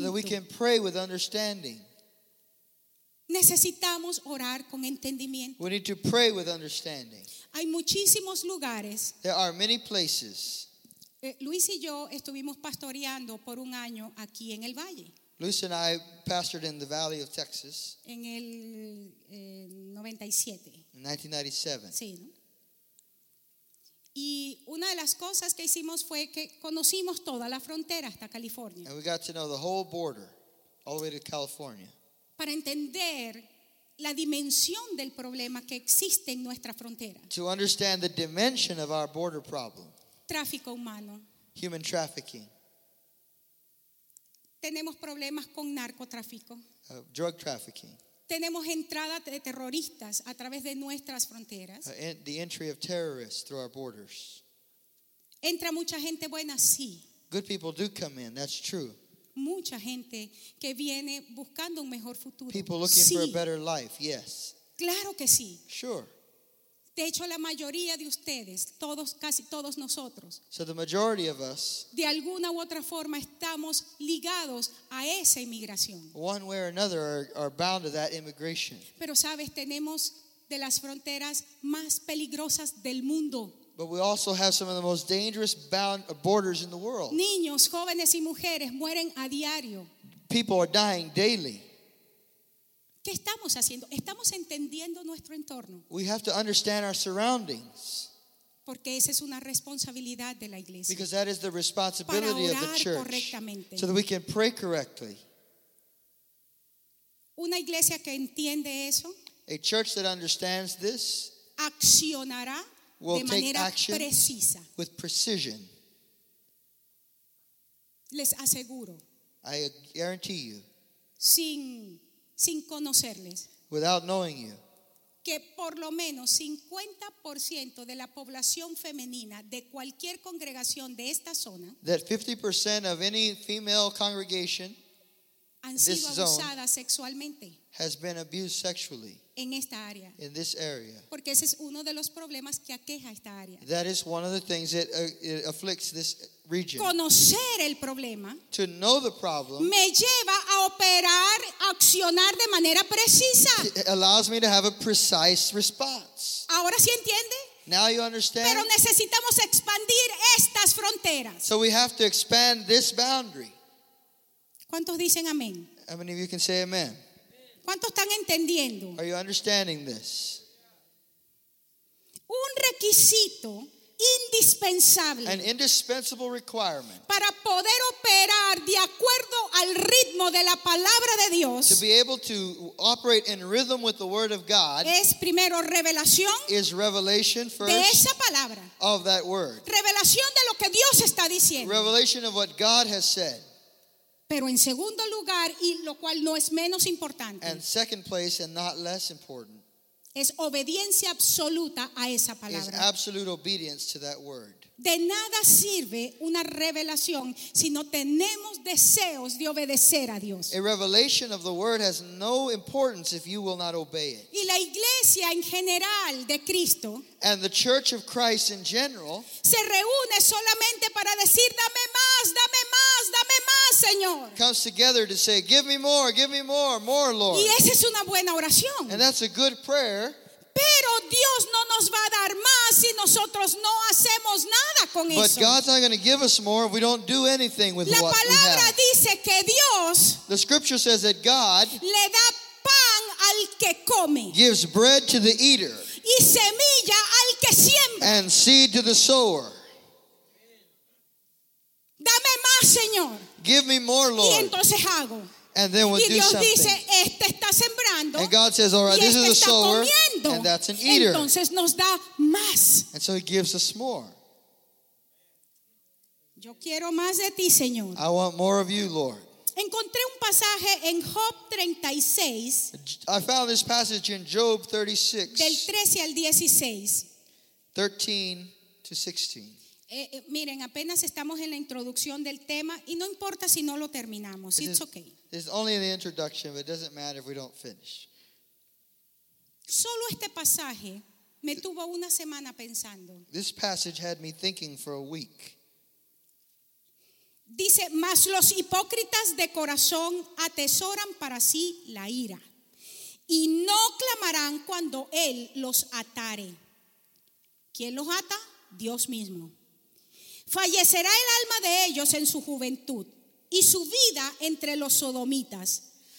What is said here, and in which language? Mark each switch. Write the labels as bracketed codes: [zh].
[en] so that we can pray with understanding. [es] Necesitamos orar con entendimiento. [en] We need to pray with understanding. [es] Hay muchísimos lugares. [en] There are many places. [es] Luis y yo estuvimos pastoreando por un año aquí en el valle. [en] Luis and I pastored in the Valley of Texas [es] en el 97. [en] In 1997. [es] Sí, ¿no? Y una de las cosas que hicimos fue que conocimos toda la frontera hasta California. [en] And we got to know the whole border, all the way to California. [es] Para entender la dimensión del problema que existe en nuestra frontera. [en] To understand the dimension of our border problem. [es] Tráfico humano. [en] Human trafficking. [es] Tenemos problemas con narcotráfico. [en] Drug trafficking. [es] Tenemos entrada de terroristas a través de nuestras fronteras. [en] The entry of terrorists through our borders. [es] Entra mucha gente buena, sí. [en] Good people do come in, that's true. [es] Mucha gente que viene buscando un mejor futuro. [en] People looking [es] sí. [en] for a better life, yes. [es] Claro que sí. [en] Sure. [es] De hecho, la mayoría de ustedes, todos, casi todos nosotros, [en] so the majority of us, [es] de alguna u otra forma, estamos ligados a esa inmigración. [en] One way or another are bound to that immigration. [es] Pero sabes, tenemos de las fronteras más peligrosas del mundo. [en] But we also have some of the most dangerous borders in the world. [es] Niños, jóvenes y mujeres mueren a diario. [en] People are dying daily. [es] ¿Qué estamos haciendo? Estamos entendiendo nuestro entorno. [en] We have to understand our surroundings. [es] Porque esa es una responsabilidad de la iglesia. [en] Because that is the responsibility of the church. [es] Para orar correctamente. [en] So that we can pray correctly. [es] Una iglesia que entiende eso, [en] a church that understands this, [es] accionará [en] will [es] de [en] take [es] manera [en] action [es] precisa. [en] With precision. [es] Les aseguro. [en] I guarantee you. [es] Sin conocerles. [en] Without knowing you. [es] Que por lo menos 50% de la población femenina de cualquier congregación de esta zona. [en] That 50% of any female congregation. [es] Han sido abusadas sexualmente. [en] Has been abused sexually. [es] En esta área. [en] In this area. [es] Porque ese es uno de los problemas que aqueja esta área. [en] That is one of the things that it afflicts this region. [es] Conocer el problema. [en] To know the problem. [es] Me lleva a operar, accionar de manera precisa. [en] It allows me to have a precise response. [es] Ahora sí entiende. [en] Now you understand. [es] Pero necesitamos expandir estas fronteras. [en] So we have to expand this boundary. [es] ¿Cuántos dicen amén? [en] How many of you can say amen? [es] ¿Cuántos están entendiendo? [en] Are you understanding this? [es] Un requisito indispensable. [en] An indispensable requirement. [es] Para poder operar de acuerdo al ritmo de la palabra de Dios. [en] To be able to operate in rhythm with the word of God. [es] Es primero revelación. [en] Is revelation first. [es] De esa palabra. [en] Of that word. [es] Revelación de lo que Dios está diciendo. [en] Revelation of what God has said. [es] Pero en segundo lugar, y lo cual no es menos importante, [en] and second place and not less important, [es] es obediencia absoluta a esa palabra. [en] Is absolute obedience to that word. [es] De nada sirve una revelación si no tenemos deseos de obedecer a Dios. [en] A revelation of the word has no importance if you will not obey it. [es] Y la iglesia en general de Cristo, [en] and the church of Christ in general, [es] se reúne solamente para decir, dame más, dame más, dame más, Señor. [en] Comes together to say, give me more, more, Lord. [es] Y esa es una buena oración. [en] And that's a good prayer. [es] Pero Dios no nos va a dar más si nosotros no hacemos nada con [en] but [es] eso. [en] But God's not going to give us more if we don't do anything with what we have. [es] La palabra dice que Dios, [en] the scripture says that God, [es] le da pan al que come, [en] gives bread to the eater, [es] y semilla al que siembra, [en] and seed to the sower. [es] Dame más, Señor. [en] Give me more, Lord. [es] Y entonces hago. [en] And then we'll [es] y Dios [en] do something. [es] Dice, este está sembrando, [en] and God says, all right, this [es] este [en] is a sower, [es] comiendo, [en] and that's an eater. [es] Entonces nos da más. [en] And so he gives us more. [es] Yo quiero más de ti, Señor. [en] I want more of you, Lord. [es] Encontré un pasaje en Job 36, [en] I found this passage in Job 36, [es] del 13 al 16. [en] 13 to 16. [es] Miren, apenas estamos en la introducción del tema y no importa si no lo terminamos. [en] It's okay. It's only in the introduction, but it doesn't matter if we don't finish. [es] Solo este pasaje me tuvo una semana pensando. [en] This passage had me thinking for a week. [es] Dice, mas los hipócritas de corazón atesoran para sí la ira y no clamarán cuando él los atare. ¿Quién los ata? Dios mismo. Fallecerá el alma de ellos en su juventud y su vida entre los sodomitas.